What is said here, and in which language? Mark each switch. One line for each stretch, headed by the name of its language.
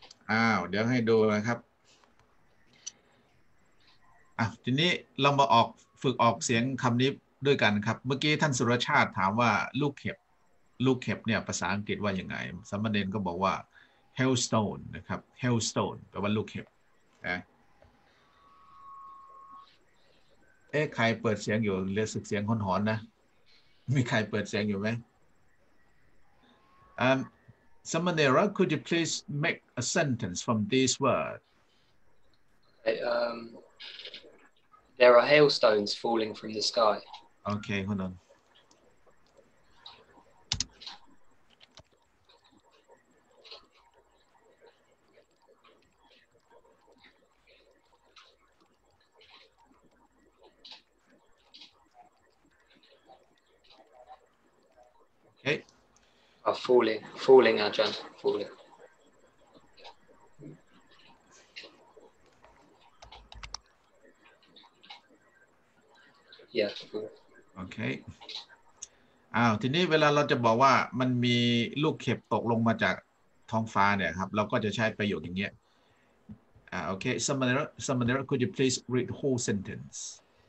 Thai: อ้าวเดี๋ยวให้ดูนะครับทีนี้เรามาออกฝึกออกเสียงคำนี้ด้วยกันครับเมื่อกี้ท่านสุรชาติถามว่าลูกเห็บเนี่ยภาษาอังกฤษว่ายังไงสมณเณรก็บอกว่า hailstone นะครับ hailstone แปลว่าลูกเห็บนะ เอ๊ะใครเปิดเสียงอยู่เรียกเสียงหอนๆนะมีใครเปิดเสียงอยู่ไหม
English: Samanera, could you please make a sentence from this word? Okay, there are hailstones falling from the sky. Okay, hold on. Okay. Are falling, Ajahn, falling. Yeah. Okay.
Thai: ทีนี้เวลาเราจะบอกว่ามันมีลูกเข็บตกลงมาจากท้องฟ้าเนี่ยครับเราก็จะใช้ประโยคอย่างเงี้ย okay.
English: Samanera, could you please read the whole sentence?